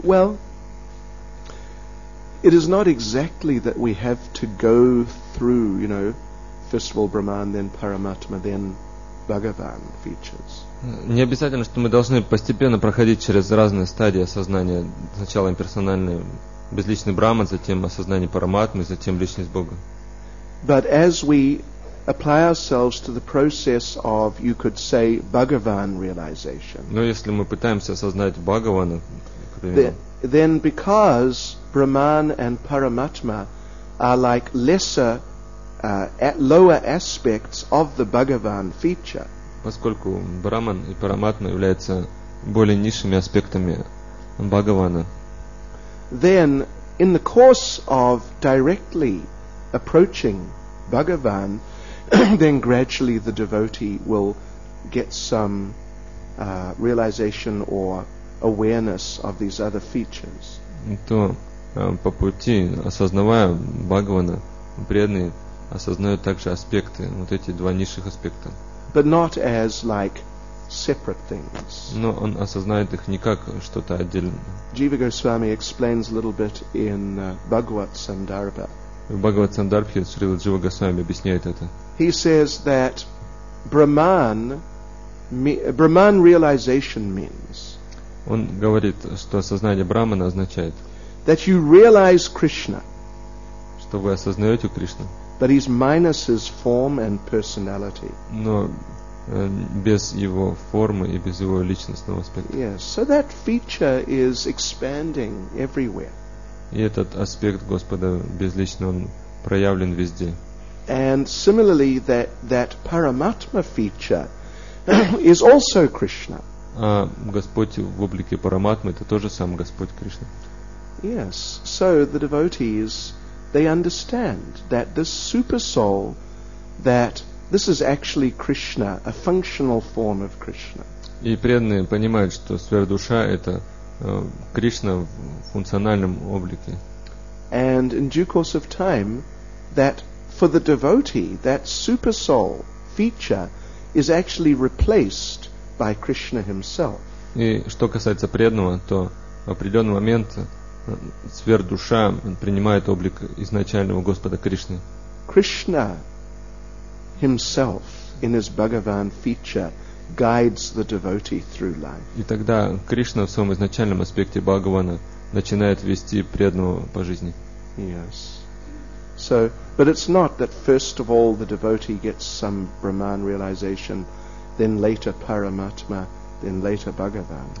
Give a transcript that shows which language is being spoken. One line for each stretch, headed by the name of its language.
English: Well, it is not exactly that we have to go through, you know, first of all Brahman, then Paramatma, then Bhagavan features.
Russian: Не обязательно, что мы должны постепенно проходить через разные стадии осознания. Сначала имперсональный безличный Брахман, затем осознание Параматмы, затем личность Бога.
English: But as we apply ourselves to the process of, you could say, Bhagavan realization.
Russian: Но если мы пытаемся осознать Бхагавана,
English: then because Brahman and Paramatma are like lesser, lower aspects of the Bhagavan feature.
Russian: Поскольку Брахман и Параматма являются более низшими аспектами Бхагавана.
English: Then, in the course of directly approaching Bhagavan, then gradually the devotee will get some realization or awareness of these other features.
Russian: То по пути, осознавая Бхагавана, преданный осознает также аспекты, вот эти два низших аспекта.
English: But not as like separate things.
Russian: Но он осознает их не как что-то отдельное.
English: Jiva Goswami explains a little bit in Bhagavat Sandarbha.
Russian: В Бхагавад Сандарбхе Шрила Джива Госвами объясняет это.
English: He says that Brahman realization means.
Russian: Он говорит, что осознание Брахмана означает.
English: That you realize Krishna.
Russian: Что вы осознаете Кришну.
English: But he's minus his form and personality.
Russian: Но без его формы и без его личностного аспекта.
English: Yes, so that feature is expanding everywhere.
Russian: И этот аспект Господа безличный, он проявлен везде.
English: And similarly, that Paramatma feature is also Krishna.
Russian: А Господь в облике Параматмы это тоже сам Господь Кришна.
English: Yes, so the devotees, they understand that this super soul, that this is actually Krishna, a functional form of Krishna.
Russian: И преданные понимают, что сверхдуша это Кришна в функциональном облике.
English: And in due course of time, that for the devotee, that super soul feature is actually replaced by Krishna himself.
Russian: И что касается преданного, то в определенный момент сверхдуша принимает облик изначального Господа Кришны.
English: Krishna himself in his Bhagavan feature guides the devotee through life.
Russian: И тогда Кришна в своем изначальном аспекте Бхагавана начинает вести преданного по жизни.
English: Yes. So, but it's not that first of all the devotee gets some Brahman realization, then later Paramatma, then later Bhagavan.